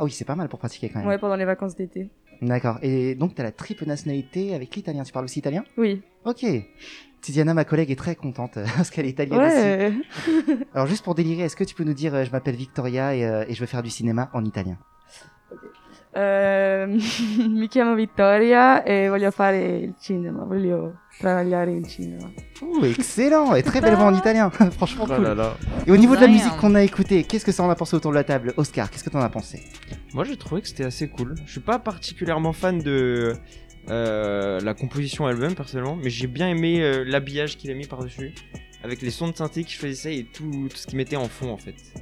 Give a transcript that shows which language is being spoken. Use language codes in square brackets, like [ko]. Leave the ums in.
[fr] Oh, oui, c'est pas mal pour pratiquer quand même. Ouais, pendant les vacances d'été. D'accord. Et donc, t'as la triple nationalité avec l'italien. Tu parles aussi italien Oui. Ok. Tiziana, ma collègue, est très contente parce qu'elle est italienne ouais. Aussi. Alors, juste pour délirer, est-ce que tu peux nous dire, je m'appelle Victoria et, euh, et, je veux faire du cinéma en italien [it] ok mi chiamo Vittoria je voglio fare il uh, cinema, voglio [fr] veux travailler [it] cinema. [fr] cinéma. excellent et très belle vent en italien, franchement cool. Et au niveau de la musique qu'on a écoutée, qu'est-ce que ça en a pensé autour de la table Oscar, qu'est-ce que t'en as pensé Moi j'ai trouvé que c'était assez cool. Je suis pas particulièrement fan de euh, la composition album personnellement, mais j'ai bien aimé euh, l'habillage qu'il a mis par-dessus, avec les sons de synthé qu'il faisaient ça et tout, tout ce qu'il mettait en fond en fait.